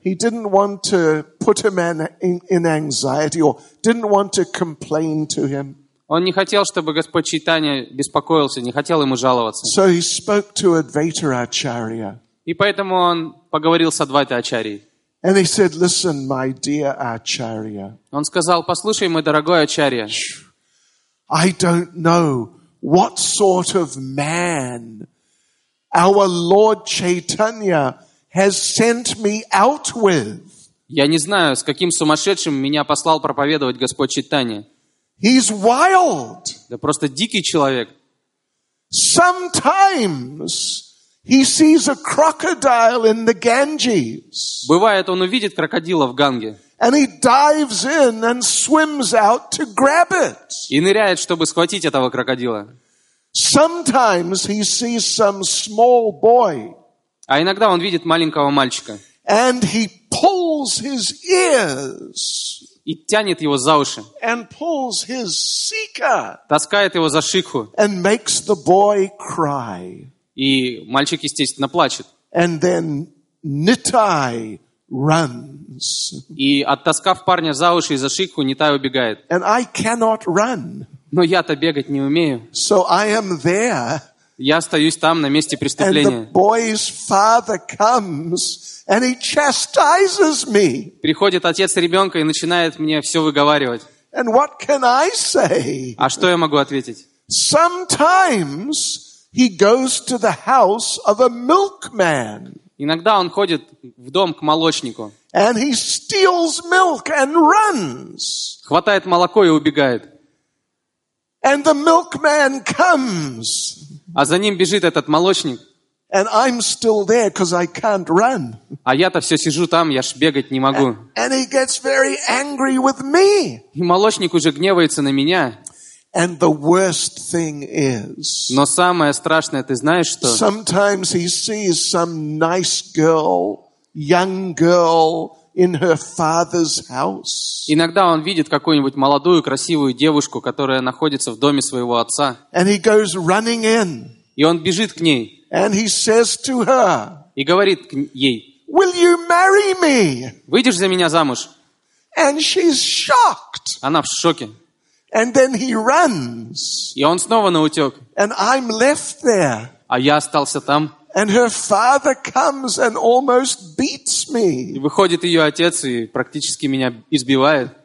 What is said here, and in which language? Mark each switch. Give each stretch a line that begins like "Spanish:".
English: He didn't want to put him in anxiety or didn't want to complain to him.
Russian: Он не хотел, чтобы Господь Чайтанья беспокоился, не хотел ему жаловаться.
English: So he spoke to Advaita Acharya.
Russian: И поэтому он поговорил с Адвайтой Ачарьей.
English: And he said, "Listen, my dear Acharya."
Russian: Он сказал: "Послушай, мой дорогой Ачарья."
English: I don't know what sort of man our Lord Chaitanya has sent me out with.
Russian: Я не знаю, с каким сумасшедшим меня послал проповедовать Господь Чайтанья.
English: He's wild.
Russian: Да просто дикий человек.
English: Sometimes he sees a crocodile in the Ganges.
Russian: Бывает, он увидит крокодила в Ганге.
English: And he dives in and swims out to grab it.
Russian: И ныряет, чтобы схватить этого крокодила.
English: Sometimes he sees some small boy.
Russian: А иногда он видит маленького мальчика.
English: And he pulls his ears.
Russian: И тянет его за уши.
English: And pulls his seeker.
Russian: Таскает его за шикху.
English: And makes the boy cry.
Russian: И мальчик, естественно, плачет.
English: And then Nittai runs.
Russian: И оттаскав парня за уши и за шикху, Нитай убегает.
English: And I cannot run.
Russian: Но я-то бегать не умею.
English: So I am there.
Russian: Я остаюсь там, на месте преступления.
English: And the boy's father comes and he chastises me.
Russian: Приходит отец ребенка и начинает мне все выговаривать.
English: And what can I say?
Russian: А что я могу ответить?
English: Sometimes he goes to the house of a milkman.
Russian: Иногда он ходит в дом к молочнику.
English: And he steals milk and runs.
Russian: Хватает молоко и убегает.
English: And the milkman comes.
Russian: А за ним бежит этот молочник.
English: And I'm still there, 'cause I can't run.
Russian: А я-то все сижу там, я ж бегать не могу.
English: And he gets very angry with me.
Russian: И молочник уже гневается на меня.
English: And the worst thing is,
Russian: но самое страшное, ты знаешь что?
English: Sometimes he sees some nice girl, young girl in her father's house.
Russian: Иногда он видит какую-нибудь молодую красивую девушку, которая находится в доме своего отца.
English: And he goes running in.
Russian: И он бежит к ней.
English: And he says to her,
Russian: и говорит ей:
English: "Will you marry me?"
Russian: Выйдешь за меня замуж?
English: And she's shocked.
Russian: Она в шоке.
English: And then he runs.
Russian: И он снова наутек.
English: And I'm left there.
Russian: А я остался там.
English: And her father comes and almost beats me.
Russian: И выходит ее отец и практически меня избивает.